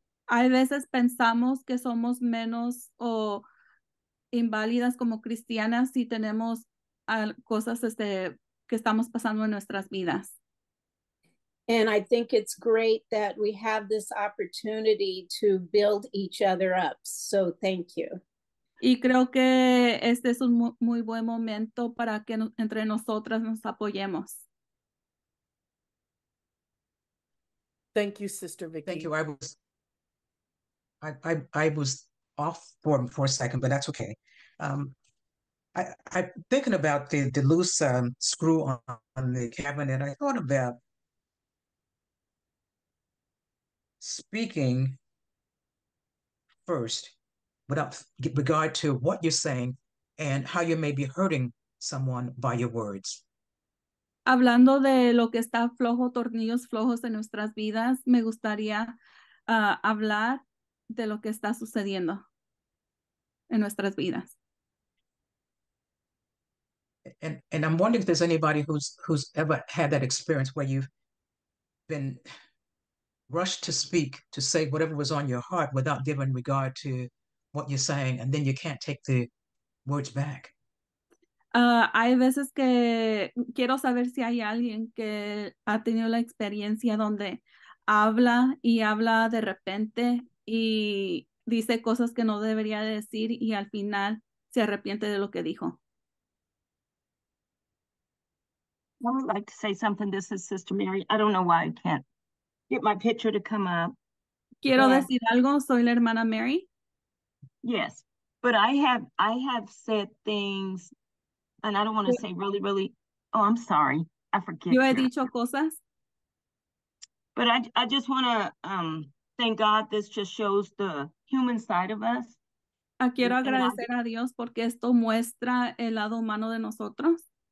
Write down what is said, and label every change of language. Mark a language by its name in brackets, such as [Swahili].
[Spanish] Hay veces pensamos que somos menos o inválidas como cristianas si tenemos cosas que estamos pasando en nuestras vidas. [English] And I think it's great that we have this opportunity to build each other up. So thank you. [Spanish] Y creo que este es un muy buen momento para que entre nosotras nos apoyemos. [English] Thank you, Sister Vicky. Thank you. I was off for a second, but that's okay. I'm thinking about the loose screw on the cabinet. I thought about speaking first. Without regard to what you're saying and how you may be hurting someone by your words. [Spanish] Hablando de lo que está flojo, tornillos flojos en nuestras vidas, me gustaría hablar de lo que está sucediendo en nuestras vidas. [English] And I'm wondering if there's anybody who's ever had that experience where you've been rushed to speak, to say whatever was on your heart without giving regard to what you're saying, and then you can't take the words back. [Spanish] Hay veces que quiero saber si hay alguien que ha tenido la experiencia donde habla y habla de repente y dice cosas que no debería decir y al final se arrepiente de lo que dijo. [English] I would like to say something. This is Sister Mary. I don't know why I can't get my picture to come up. [Spanish] Quiero decir algo. Soy la hermana Mary. [English] Yes, but I have said things, and I don't want to say really, really. Oh, I'm sorry, I forget. [Spanish] Yo he dicho cosas. [English] But I just want to thank God. This just shows the human side of us. [Spanish] Quiero agradecer a Dios porque esto muestra el lado humano de nosotros.